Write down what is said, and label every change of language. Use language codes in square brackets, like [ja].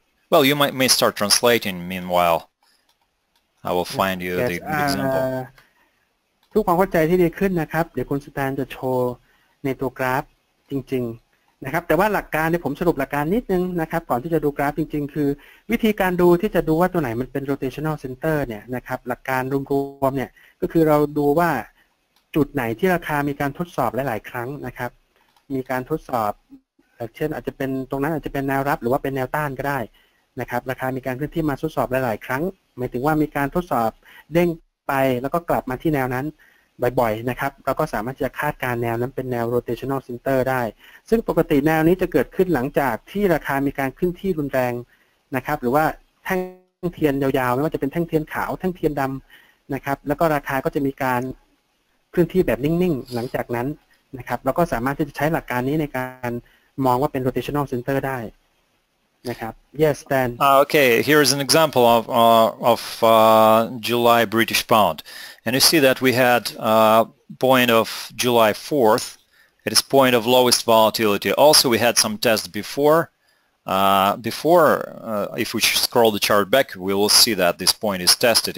[en] Well, you may start translating meanwhile. I will find you the example. [th] ทุกความเข้าใจที่ดีขึ้นนะครับเดี๋ยวคุณสแตนจะโชว์ในตัวกราฟจริงๆนะครับแต่ว่าหลักการเนี่ยผมสรุปหลักการนิดนึงนะครับก่อนที่จะดูกราฟจริงๆคือวิธีการดูที่จะดูว่าตัวไหนมันเป็น rotational center เนี่ยนะครับหลักการรวมๆเนี่ยก็คือเราดูว่า จุดไหนที่ราคามีการทดสอบหลายๆครั้งนะครับมีการทดสอบเช่นอาจจะเป็นตรงนั้นอาจจะเป็นแนวรับหรือว่าเป็นแนวต้านก็ได้นะครับราคามีการขึ้นที่มาทดสอบหลายๆครั้งหมายถึงว่ามีการทดสอบเด้งไปแล้วก็กลับมาที่แนวนั้น บ่อยๆนะครับเราก็สามารถจะคาดการแนวนั้นเป็นแนว rotational center ได้ซึ่งปกติแนวนี้จะเกิดขึ้นหลังจากที่ราคามีการขึ้นที่รุนแรงนะครับหรือว่าแท่งเทียนยาวๆไม่ว่าจะเป็นแท่งเทียนขาวแท่งเทียนดำนะครับแล้วก็ราคาก็จะมีการขึ้นที่แบบนิ่งๆหลังจากนั้นนะครับเราก็สามารถที่จะใช้หลักการนี้ในการมองว่าเป็น rotational center ได้ [en] Yes, Dan. Okay, here is an example of July British pound. And you see that we had a point of July 4th. It is point of lowest volatility. Also, we had some tests before. If we scroll the chart back, we will see that this point is tested.